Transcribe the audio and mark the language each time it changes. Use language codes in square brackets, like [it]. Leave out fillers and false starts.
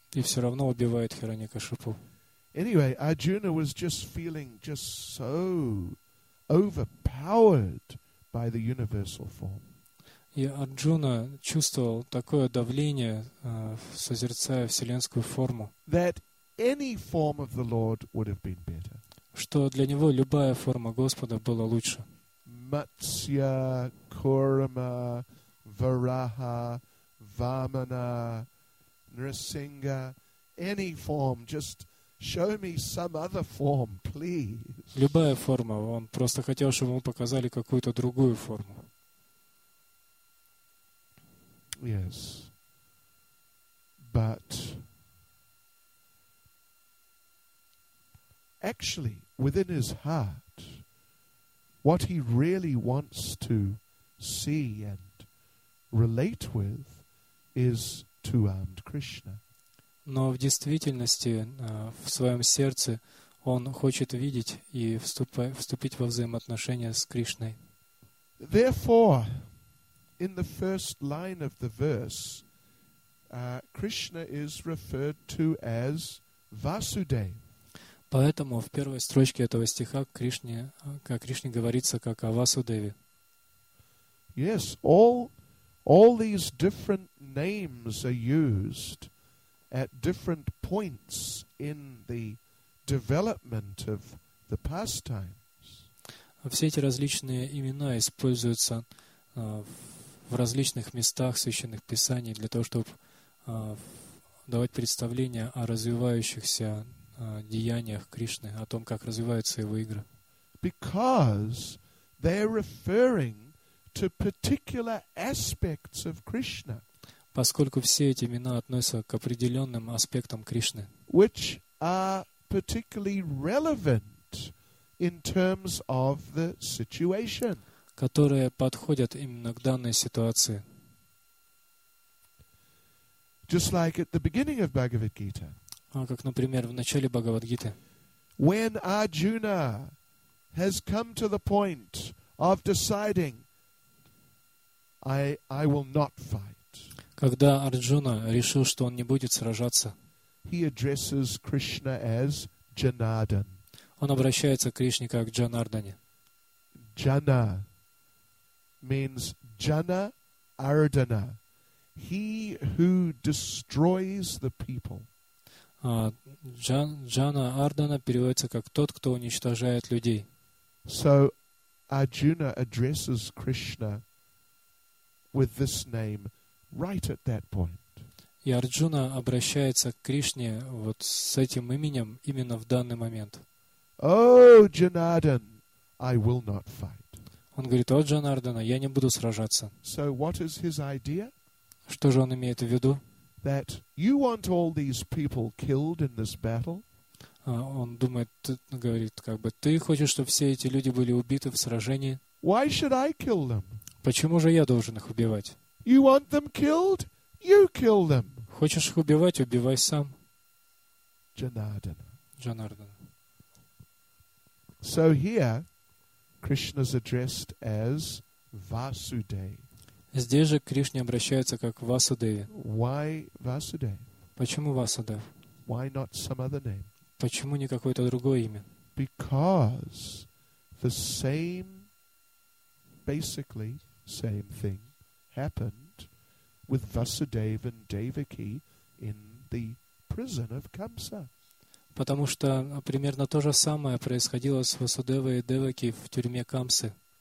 [ru] И все равно убивает Хиранья-Кашипу. [en] Anyway, Arjuna was just feeling just so overpowered by the universal form. [ru] И Арджуна чувствовал такое давление, созерцая вселенскую форму, [en] that any form of the Lord would have been better. [ru] Что для него любая форма Господа была лучше. [en] Матсья, Курма, Вараха, Вамана, Нрисинга, any form, just show me some other form, please. [ru] Любая форма. Он просто хотел, чтобы ему показали какую-то другую форму. [en] Yes, but actually, within his heart, what he really wants to see and relate with is two-armed Krishna. [ru] Но в действительности, в своем сердце, он хочет видеть и вступить во взаимоотношения с Кришной. [en] Therefore, in the first line of the verse, Krishna is referred to as Vasudev. [ru] Поэтому в первой строчке этого стиха Кришне говорится как о Васудеве. [en] Yes, all these different names are used at different points in the development of the pastimes. [ru] Все эти различные имена используются в в различных местах священных писаний для того, чтобы давать представление о развивающихся деяниях Кришны, о том, как развиваются его игры. [en] Because they're referring to particular aspects of Krishna. [ru] Поскольку все эти имена относятся к определенным аспектам Кришны, [en] which are particularly relevant in terms of the situation, [ru] которые подходят именно к данной ситуации. [en] Just like at the beginning of Bhagavad Gita. [ru] Как, например, в начале Бхагавад-гиты. [en] When Arjuna has come to the point of deciding, I will not fight. [ru] Когда Арджуна решил, что он не будет сражаться, [en] he addresses Krishna as Janardan. [ru] Он обращается к Кришне как Джанардане. [en] Jana means Jana Ardana, he who destroys the people. [ru] Jana Ardana переводится как тот, кто уничтожает людей. [en] So Arjuna addresses Krishna with this name right at that point. [ru] И Арджуна обращается к Кришне вот с этим именем именно в данный момент. [en] Oh, Janardan, I will not fight. [ru] Он говорит: «О, Джанардана, я не буду сражаться». [en] So what is his idea? [ru] Что же он имеет в виду? [en] That you want all these people killed in this battle? [ru] Он думает, говорит, как бы, ты хочешь, чтобы все эти люди были убиты в сражении? [en] Why should I kill them? [ru] Почему же я должен их убивать? [en] You want them killed? You kill them. [ru] Хочешь их убивать? Убивай сам. [en] Janardana. [ru] Janardana. [en] So here, Krishna's addressed as Vasudev. [ru] Здесь же Кришне обращается как Васудеве. [en] Why Vasudev? [ru] Почему Васудев? [en] Why not some other name? [ru] Почему не какое-то другое имя? [en] Because the same, basically same thing happened with Vasudev and Devaki in the prison of Kamsa. [ru] Потому что примерно то же самое происходило с Васудевой и Девакой в тюрьме Камсы.